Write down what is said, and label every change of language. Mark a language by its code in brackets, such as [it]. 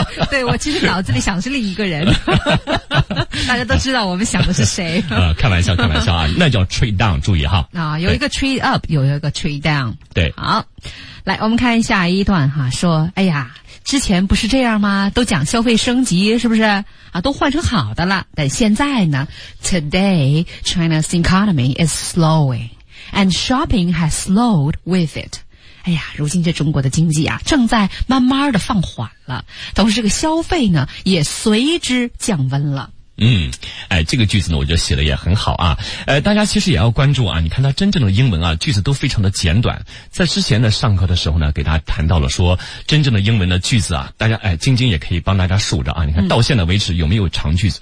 [zh] 对，我其实脑子里想的是另一个人。大家都知道我们想的是谁。开玩笑，开玩笑啊，那叫 trade down， 注意哈。啊，有一个 trade up， 有一个 trade down。对，好。来，我们看下一段哈，说，哎呀，之前不是这样吗？都讲消费升级，是不是？啊，都换成好的了。但现在呢 [en] ？Today China's economy is slowing, and shopping has slowed with it. [zh] 哎呀，如今这中国的经济啊，正在慢慢的放缓了，同时这个消费呢，也随之降温了。嗯，哎，这个句子呢，我觉得写的也很好啊。大家其实也要关注啊。你看它真正的英文啊，句子都非常的简短。在之前呢，上课的时候呢，给大家谈到了说，真正的英文的句子啊，大家哎，晶晶也可以帮大家数着啊。你看到现在为止有没有长句子？